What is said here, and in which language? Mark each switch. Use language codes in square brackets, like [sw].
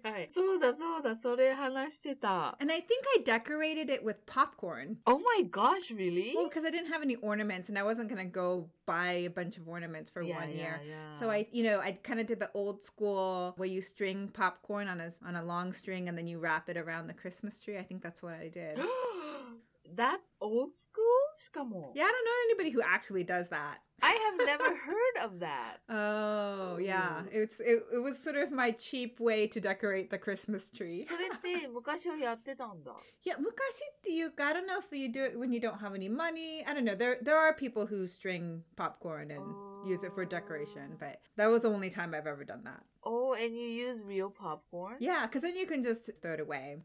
[ja] そうだそうだ、それ話してた。 [en] And I think I decorated it with popcorn. Oh my gosh, really? Well, because I didn't have any ornaments and I wasn't going to go buy a bunch of ornaments for one year. Yeah, yeah. So I, you know, I kind of did the old school where you string popcorn on a long string and then you wrap it around the Christmas tree. I think that's what I did. That's old school? しかも。 Yeah, I don't know anybody who actually does that. I have never heard of that. Oh, yeah. It was sort of my cheap way to decorate the Christmas tree. [ja] それって昔をやってたんだ。いや、昔っていうか、 [en] I don't know if you do it when you don't have any money. I don't know. There are people who string popcorn and use it for decoration, but that was the only time I've ever done that. Oh, and you use real popcorn? Yeah, because then you can just throw it away.